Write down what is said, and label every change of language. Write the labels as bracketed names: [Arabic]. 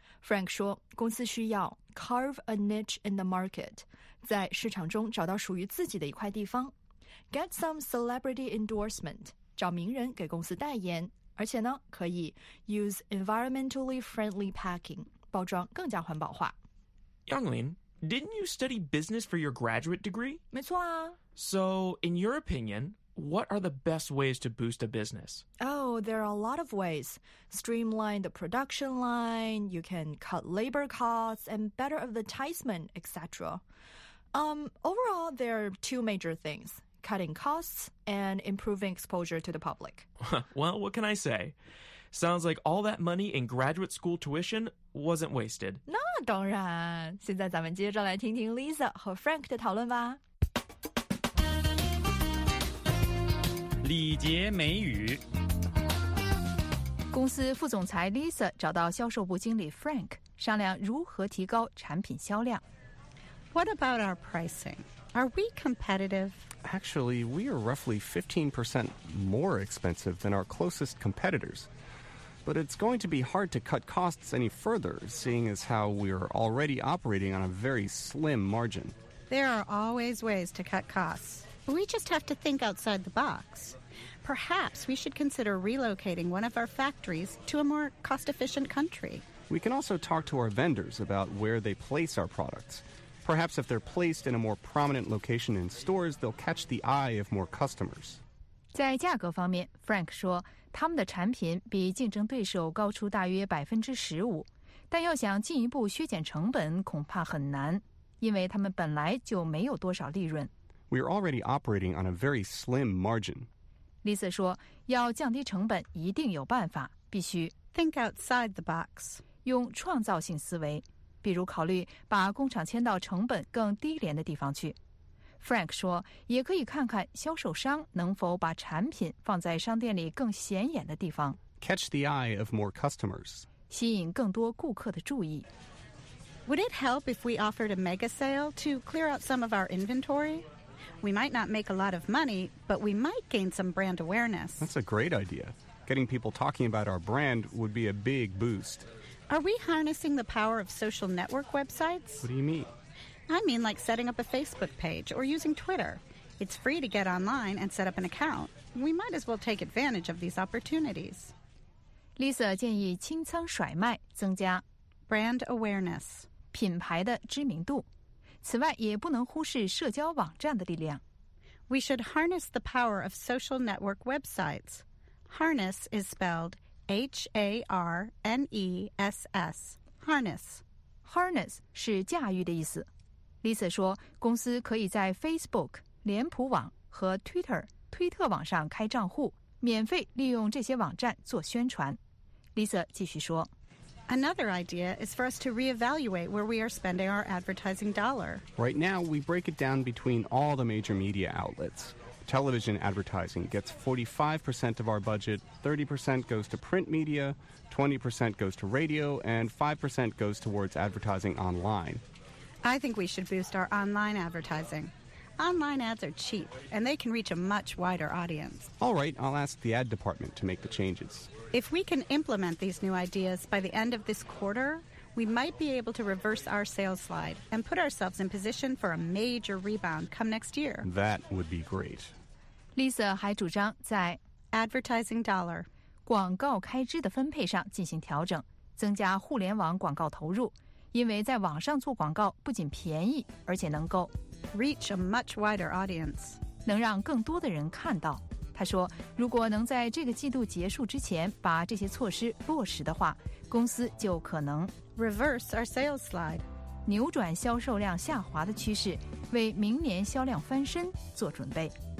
[Chinese] Frank 说，公司需要 [English] carve a niche in the market， [Chinese] 在市场中找到属于自己的一块地方 ， [English] get some celebrity endorsement， [Chinese] 找名人给公司代言，而且呢，可以 [English] use environmentally friendly packing， [Chinese] 包装更加环保化。 [English] Younglin， didn't you study business for your graduate degree？ [Chinese] 没错啊。 [English] So in your opinion。 What are the best ways to boost a business? Oh, there are a lot of ways. Streamline the production line, you can cut labor costs, and better advertisement, etc. Overall, there are two major things, cutting costs and improving exposure to the public. Well, what can I say? Sounds like all that money in graduate school tuition wasn't wasted. [Chinese] 那当然。现在咱们接着来听听 Lisa 和 Frank 的讨论吧。礼节美语。公司副总裁 Lisa 找到销售部经理 Frank， 商量如何提高产品销量。 [English] What about our pricing? Are we competitive? Actually, we are roughly 15% more expensive than our closest competitors. But it's going to be hard to cut costs any further, seeing as how we are already operating on a very slim margin. There are always ways to cut costs. We just have to think outside the box. Perhaps we should consider relocating one of our factories to a more cost-efficient country. We can also talk to our vendors about where they place our products. Perhaps if they're placed in a more prominent location in stores, they'll catch the eye of more customers. [Chinese] 在价格方面 ,Frank 说他们的产品比竞争对手高出大约 15%, 但要想进一步削减成本恐怕很难,因为他们本来就没有多少利润。 [English] We are already operating on a very slim margin. [Chinese] Lisa 说要降低成本一定有办法，必须 [English] think outside the box. [Chinese] 用创造性思维，比如考虑把工厂迁到成本更低廉的地方去。 Frank 说也可以看看销售商能否把产品放在商店里更显眼的地方。 [English] Catch the eye of more customers. [Chinese] 吸引更多顾客的注意。 [English] Would it help if we offered a mega sale to clear out some of our inventory? We might not make a lot of money, but we might gain some brand awareness. That's a great idea. Getting people talking about our brand would be a big boost. Are we harnessing the power of social network websites? What do you mean? I mean like setting up a Facebook page or using Twitter. It's free to get online and set up an account. We might as well take advantage of these opportunities. [Chinese] Lisa 建议清仓甩卖，增加 [English] brand awareness [Chinese] 品牌的知名度。此外，也不能忽视社交网站的力量。 [English] We should harness the power of social network websites. Harness is spelled H-A-R-N-E-S-S. Harness. [Chinese] Harness 是驾驭的意思。Lisa 说，公司可以在 Facebook、脸谱网和 Twitter、推特网上开账户，免费利用这些网站做宣传。 Lisa 继续说 [English] ，Another idea is for us to reevaluate where we are spending our advertising dollar. Right now, we break it down between all the major media outlets. Television advertising gets 45% of our budget, 30% goes to print media, 20% goes to radio, and 5% goes towards advertising online. I think we should boost our online advertising. Online ads are cheap, and they can reach a much wider audience. All right, I'll ask the ad department to make the changes. If we can implement these new ideas by the end of this quarter, we might be able to reverse our sales slide and put ourselves in position for a major rebound come next year. That would be great. [Chinese] Lisa 还主张在 [English] advertising dollar [Chinese] 广告开支的分配上进行调整，增加互联网广告投入。因为在网上做广告不仅便宜，而且能够 [English] reach a much wider audience， [Chinese] 能让更多的人看到。他说，如果能在这个季度结束之前把这些措施落实的话，公司就可能 [English] reverse our sales slide， [Chinese] 扭转销售量下滑的趋势，为明年销量翻身做准备。